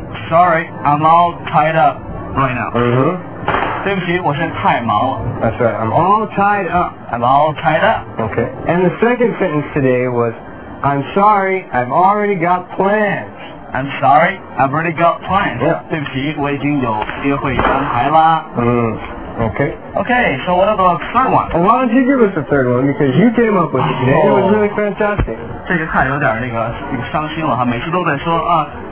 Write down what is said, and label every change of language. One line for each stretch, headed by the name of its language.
English: Sorry, I'm all tied up right now. Mm-hmm.
Chinese: 对不起，我现在太忙了。
English: That's right. I'm all tied up. I'm all tied up. Okay. And the second sentence today was, I'm sorry, I've already got plans. I'm sorry, I've already got plans. Yeah.
Chinese: 对不起，我已经有约会安排啦。
English: Okay. Okay. So what about the third one? Well, why don't you give us the third one? Because you came up with it today. It was really fantastic.
Chinese: 这个太有点那个挺伤心了哈，每次都在说啊。